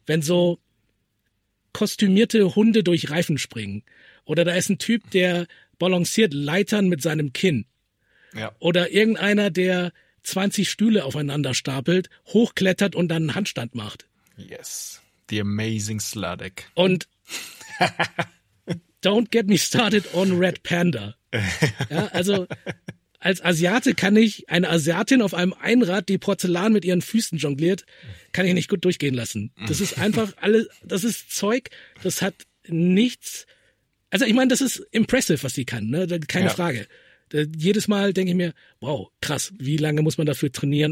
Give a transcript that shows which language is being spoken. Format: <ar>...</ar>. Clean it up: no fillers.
<de>Wenn so kostümierte Hunde durch Reifen springen. Oder da ist ein Typ, der balanciert Leitern mit seinem Kinn. Ja. Oder irgendeiner, der 20 Stühle aufeinander stapelt, hochklettert und dann einen Handstand macht.</de> <en>Yes, the amazing Sladek.</en> <de>Und</de> <en>don't get me started on Red Panda.</en> <de>Ja, also als Asiate kann ich eine Asiatin auf einem Einrad, die Porzellan mit ihren Füßen jongliert, kann ich nicht gut durchgehen lassen. Das ist einfach alles, das ist Zeug, das hat nichts. Also ich meine, das ist impressive, was sie kann, ne? Keine Frage. Jedes Mal denke ich mir, wow, krass, wie lange muss man dafür trainieren?</de>